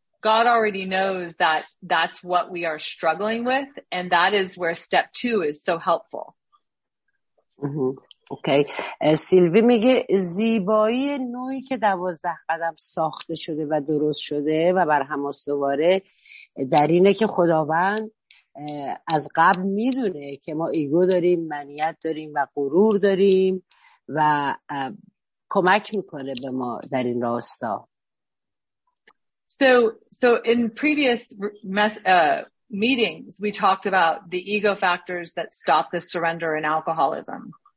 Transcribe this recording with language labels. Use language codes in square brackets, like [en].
[en] God already knows that that's what we are struggling with, and that is where step two is so helpful. Okay. [fa] سیلوی میگه زیبایی نوعی که 12 قدم ساخته شده و درست شده و بر هم استواره در اینه که خداوند از قبل میدونه که ما ایگو داریم، منیت داریم و غرور داریم و کمک میکنه به ما در این راستا. [en] So in previous meetings we talked about the ego factors that stop the surrender in alcoholism.